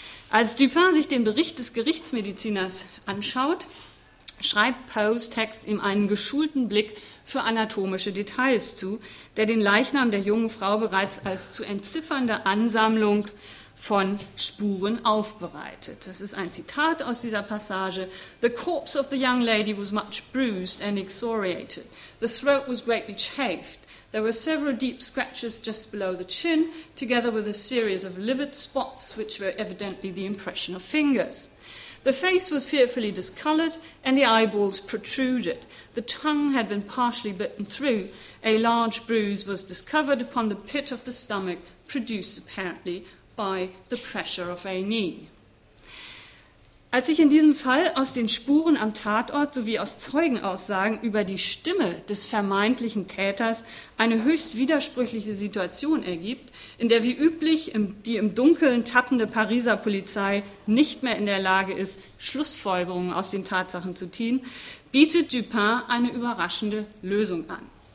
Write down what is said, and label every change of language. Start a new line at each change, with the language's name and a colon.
German: Als Dupin sich den Bericht des Gerichtsmediziners anschaut, schreibt Poes Text ihm einen geschulten Blick für anatomische Details zu, der den Leichnam der jungen Frau bereits als zu entziffernde Ansammlung von Spuren aufbereitet. Das ist ein Zitat aus dieser Passage.
English: The corpse of the young lady was much bruised and excoriated. The throat was greatly chafed. There were several deep scratches just below the chin, together with a series of livid spots, which were evidently the impression of fingers. The face was fearfully discolored, and the eyeballs protruded. The tongue had been partially bitten through. A large bruise was discovered upon the pit of the stomach, produced apparently by the pressure of a knee.
German: Als sich in diesem Fall aus den Spuren am Tatort sowie aus Zeugenaussagen über die Stimme des vermeintlichen Täters eine höchst widersprüchliche Situation ergibt, in der wie üblich die im Dunkeln tappende Pariser Polizei nicht mehr in der Lage ist, Schlussfolgerungen aus den Tatsachen zu ziehen, bietet Dupin eine überraschende Lösung an.